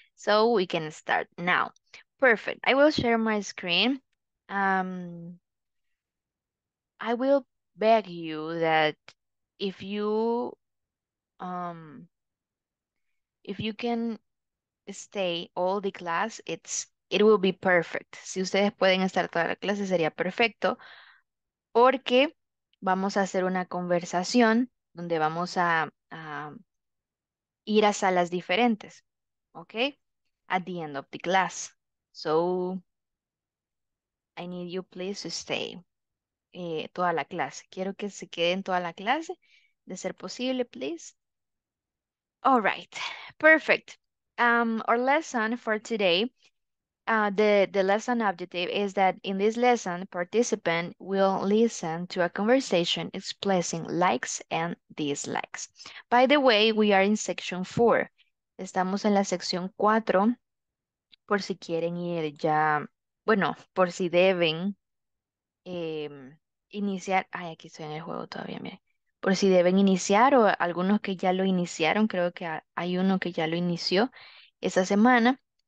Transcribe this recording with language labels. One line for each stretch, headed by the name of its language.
English: So we can start now. Perfect. I will share my screen. I will beg you that if you if you can stay all the class, it will be perfect.
Spanish: Si ustedes pueden estar toda la clase, sería perfecto, porque vamos a hacer una conversación donde vamos a ir a salas diferentes, okay?
English: At the end of the class. So I need you please to stay
Spanish: toda la clase. Quiero que se queden toda la clase, de ser posible, please.
English: All right, perfect. Our lesson for today, the lesson objective is that in this lesson, participant will listen to a conversation expressing likes and dislikes. By the way, we are in section 4.
Spanish: Estamos en la sección 4, por si quieren ir ya, bueno, por si deben iniciar. Ay, aquí estoy en el juego todavía, miren. Por si deben iniciar o algunos que ya lo iniciaron, creo que hay uno que ya lo inició esta semana.